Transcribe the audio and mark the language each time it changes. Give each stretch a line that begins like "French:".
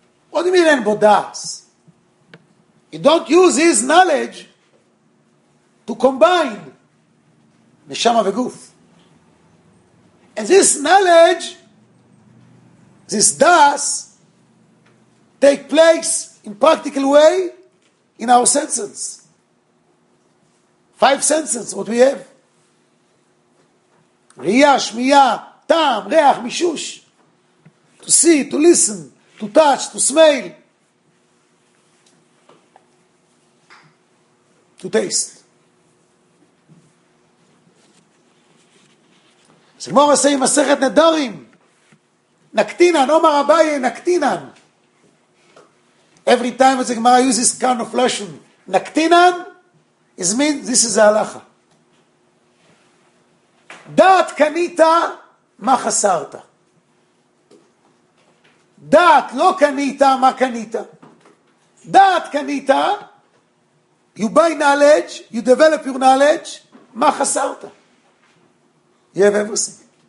English: What do you mean
Hebrew: אין בו דעס?
English: He don't use his knowledge to combine נשמה וגוף. And this knowledge, this דעס, take place in practical way in our senses. Five senses, what we have.
Hebrew: ראייה, שמיעה, טעם, ריח, מישוש.
English: To see, to listen, to touch, to smell. To taste.
Hebrew: סגמור עשה עם מסכת נדרים. נקטינן, אומר אביי, נקטינן.
English: Every time the Gemara uses kind of lashon, נקטינן, is mean this is ההלכה.
Hebrew: דעת קנית, מה חסרת? דעת לא קנית, מה קנית? דעת קנית,
English: you buy knowledge, you develop your knowledge,
Hebrew: מה חסרת?
English: You have everything.